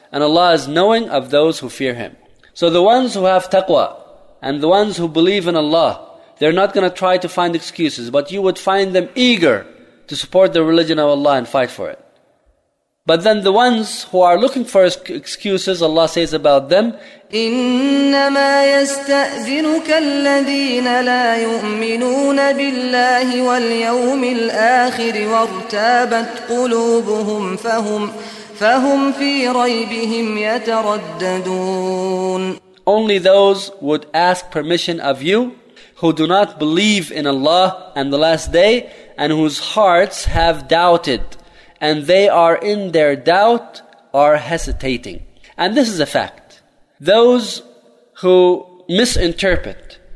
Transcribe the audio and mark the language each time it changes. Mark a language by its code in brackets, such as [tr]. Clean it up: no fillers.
[en] And Allah is knowing of those who fear Him. So the ones who have taqwa and the ones who believe in Allah, they're not going to try to find excuses, but you would find them eager to support the religion of Allah and fight for it. But then the ones who are looking for excuses, Allah says about them, [ar] إنما يستأذنك الذين لا يؤمنون بالله واليوم الآخر وارتابت قلوبهم فهم في ريبهم يترددون [en] Only those would ask permission of you who do not believe in Allah and the last day and whose hearts have doubted and they are in their doubt are hesitating. And this is a fact. Those who misinterpret